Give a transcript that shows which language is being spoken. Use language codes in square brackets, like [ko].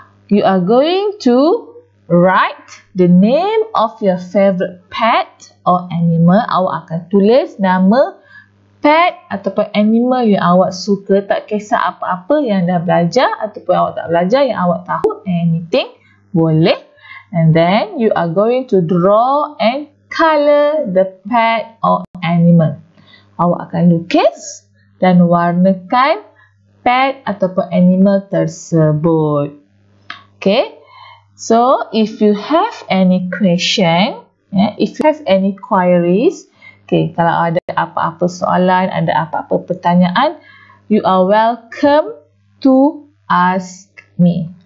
[en] You are going to write the name of your favorite pet or animal. [ms] Awak akan tulis nama pet ataupun animal yang awak suka. Tak kisah apa-apa yang dah belajar ataupun awak tak belajar, yang awak tahu, anything boleh. [en] And then you are going to draw and color the pet or animal. [ms] Awak akan lukis dan warnakan pet ataupun animal tersebut. Okay. [en] So, if you have any question, if you have any queries, okay, [ms] kalau ada apa-apa soalan, ada apa-apa pertanyaan, [en] you are welcome to ask me.